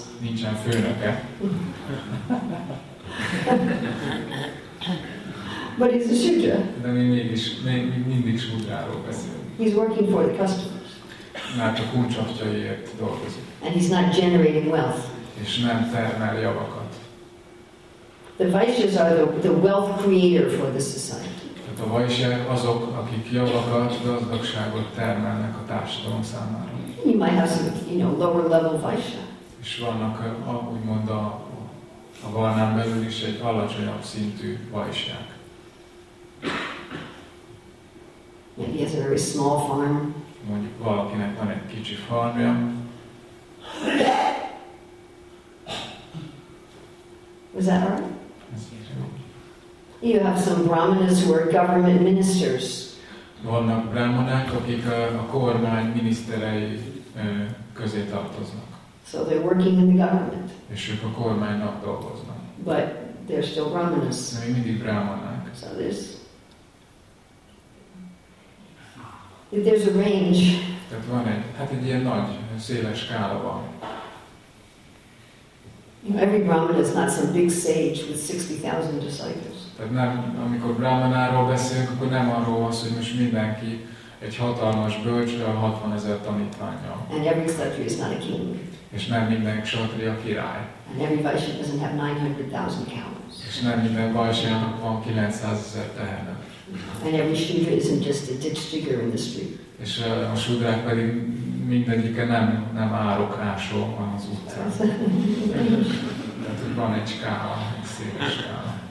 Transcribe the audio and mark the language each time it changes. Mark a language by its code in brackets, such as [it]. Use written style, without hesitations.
[hu] Nincsen főnöke. [en] But he's a shudra. [hu] De mindig shudráról beszélünk. [en] He's working for the customers. [hu] Már csak kuncsaftjaiért dolgozik. [en] And he's not generating wealth. [hu] És nem termel javakat. [en] The vaishyas are the wealth creator for the society. [hu] Tehát a vaishyák azok, akik javakat, gazdagságot termelnek a társadalom számára. [en] You might have some, you know, lower level vaishya. [hu] És vannak, úgymond a varnán belül is egy alacsonyabb szintű vajsák. [en] Maybe has a very small farm. [hu] Mondjuk valakinek van egy kicsi farmja. [en] Was that right? You have some brahmanas who are government ministers. [hu] vannak brahmanák, akik a kormány miniszterei közé tartoznak. [en] So they're working in the government. [hu] És ők a kormánynak dolgoznak. [en] But they're still brahmanas. [hu] De még mindig brahmanák. [en] So there's if there's a range. [hu] Tehát van egy, hát egy ilyen nagy, széles skála van. [en] Every brahmana is not some big sage with 60,000 disciples. [hu] Tehát nem, amikor brahmanáról beszélünk, akkor nem arról van szó, hogy most mindenki egy hatalmas bölcsre 60 ezer tanítványa. [en] And every kshatriya is not a king. [hu] És nem minden kshatriya király. [en] And every vaishya doesn't have 900,000 cows. [hu] És nem minden vaishyának van 900 ezer teherne. [en] And every shudra isn't just a ditch digger in the street. [hu] És a shudrák pedig mindegyike nem árokásó van az utcán. Tehát, hogy van egy skála, egy széles skála.